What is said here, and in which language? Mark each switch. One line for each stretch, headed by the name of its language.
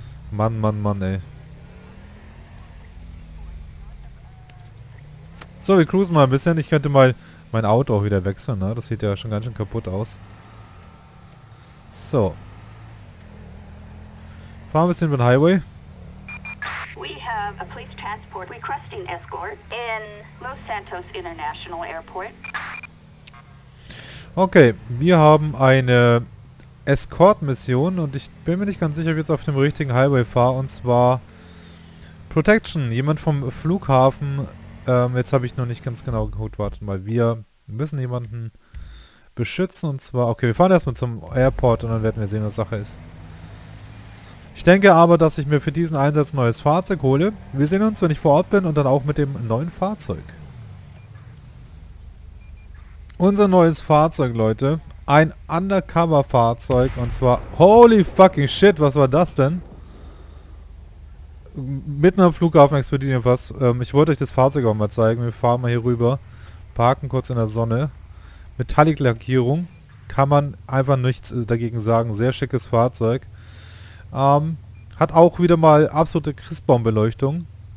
German: Mann, Mann, Mann, ey. So, wir cruisen mal ein bisschen. Ich könnte mal mein Auto auch wieder wechseln, ne? Das sieht ja schon ganz schön kaputt aus. So. Fahren wir ein bisschen über den Highway.
English: We have a police transport requesting escort in Los Santos International Airport.
German: Okay, wir haben eine Escort-Mission und ich bin mir nicht ganz sicher, ob ich jetzt auf dem richtigen Highway fahre, und zwar Protection. Jemand vom Flughafen, jetzt habe ich noch nicht ganz genau geguckt, warte mal, wir müssen jemanden beschützen, und zwar, okay, wir fahren erstmal zum Airport und dann werden wir sehen, was Sache ist. Ich denke aber, dass ich mir für diesen Einsatz ein neues Fahrzeug hole. Wir sehen uns, wenn ich vor Ort bin, und dann auch mit dem neuen Fahrzeug. Unser neues Fahrzeug, Leute. Ein Undercover-Fahrzeug, und zwar...
English: Holy fucking shit,
German: was war das denn? Mitten am Flughafen explodiert hier was. Ich wollte euch das Fahrzeug auch mal zeigen. Wir fahren mal hier rüber. Parken kurz in der Sonne. Metallic-Lackierung. Kann man einfach nichts dagegen sagen. Sehr schickes Fahrzeug. Hat auch wieder mal absolute Christbaumbeleuchtung.